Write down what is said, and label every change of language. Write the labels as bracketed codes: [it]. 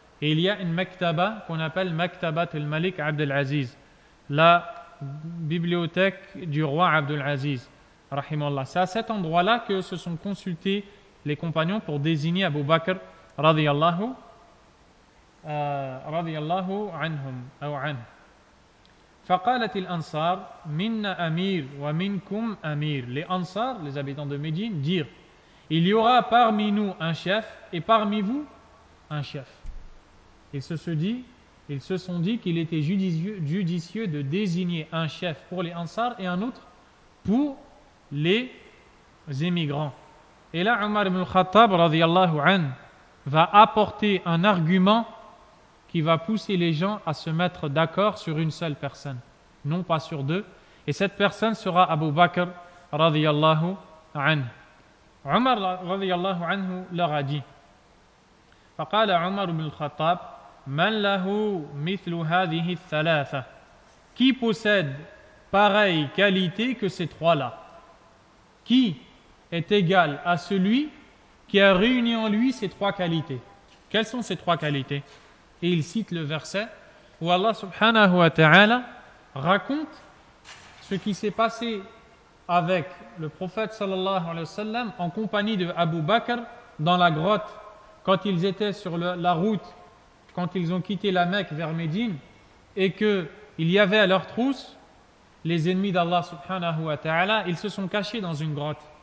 [fr] Et il y a une maktaba qu'on appelle Maktabat al-Malik Abdelaziz, la bibliothèque du roi Abdelaziz, rahimallah. C'est à cet endroit-là que se sont consultés les compagnons pour désigner Abu Bakr, radiyallahu anhum, ou anhu. [ar] فقالت الأنصار منا أمير ومنكم أمير. [fr] Les Ansar, les habitants de Médine, dirent: il y aura parmi nous un chef et parmi vous un chef. Ils se sont dit qu'il était judicieux de désigner un chef pour les Ansar et un autre pour les émigrants. Et là, Omar ibn Khattab radiallahu anhu va apporter un argument qui va pousser les gens à se mettre d'accord sur une seule personne, non pas sur deux. Et cette personne sera Abu Bakr radiallahu anhu. Umar radiallahu anhu leur a dit: [ar] فقال عمر بن الخطاب من له مثل هذه الثلاثة. [fr] Qui possède pareille qualité que ces trois-là? Qui est égal à celui qui a réuni en lui ces trois qualités? Quelles sont ces trois qualités? Et il cite le verset où Allah subhanahu wa ta'ala raconte ce qui s'est passé avec le prophète sallallahu alayhi wa sallam en compagnie de Abu Bakr dans la grotte, quand ils étaient sur la route, quand ils ont quitté la Mecque vers Médine, et qu'il y avait à leur trousse les ennemis d'Allah subhanahu wa ta'ala, ils se sont cachés dans une grotte.